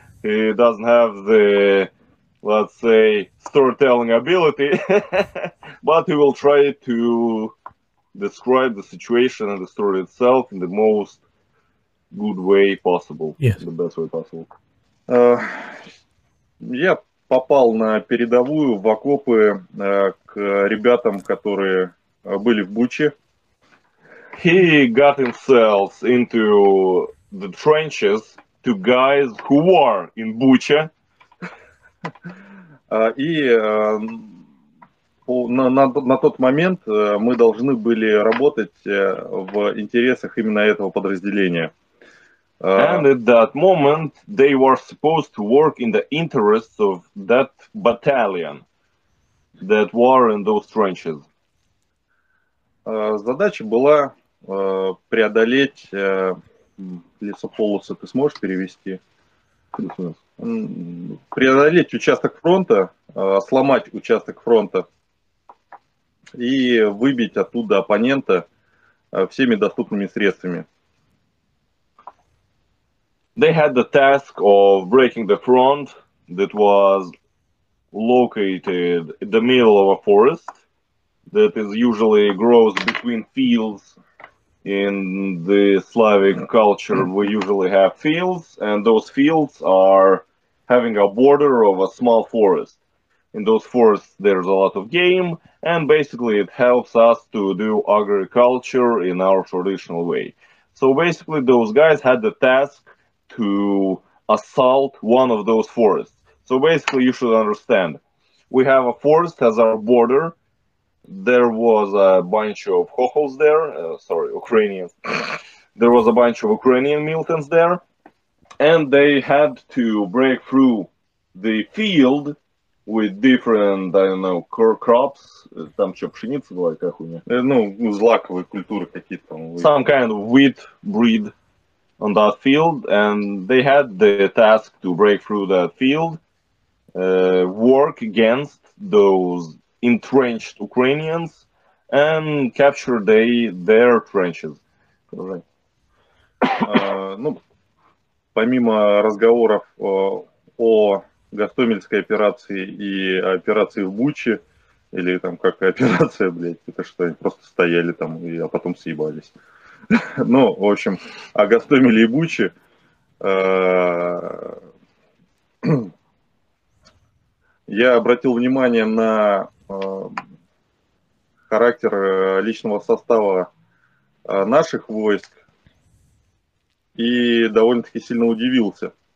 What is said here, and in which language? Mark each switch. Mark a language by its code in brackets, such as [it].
[en] He doesn't have the, let's say, storytelling ability. But he will try to describe the situation and the story itself in the most good way possible. Yes. The best way possible. Yep. [ru] Попал на передовую, в окопы, к ребятам, которые были в Буче. [en] He got himself into the trenches to guys who were in Buche. [ru] И на тот момент мы должны были работать в интересах именно этого подразделения. [en] And at that moment, they were supposed to work in the interests of that battalion that were in those trenches. [ru] Задача была преодолеть лесополосы. Ты сможешь перевести? Преодолеть участок фронта, сломать участок фронта и выбить оттуда оппонента всеми доступными средствами. [en] They had the task of breaking the front that was located in the middle of a forest that is usually grows between fields. In the Slavic culture, we usually have fields, and those fields are having a border of a small forest. In those forests, there's a lot of game, and basically it helps us to do agriculture in our traditional way. So basically, those guys had the task to assault one of those forests. So basically, you should understand, we have a forest as our border. There was a bunch of Hohols there, Ukrainians. There was a bunch of Ukrainian militants there, and they had to break through the field with different, core crops, [ru] там что, пшеница была или какая хуйня? Ну, злаковые культуры какие-то там. [en] Some kind of wheat breed on that field, and they had the task to break through that field, work against those entrenched Ukrainians and capture their trenches. [ru] Ну, помимо разговоров о Гостомельской операции и операции в Буче, или там как операция, блядь, это что, они просто стояли там, а потом съебались. Ну, в общем, о Гостомеле и Буче. Я обратил внимание на характер личного состава наших войск и довольно-таки сильно удивился.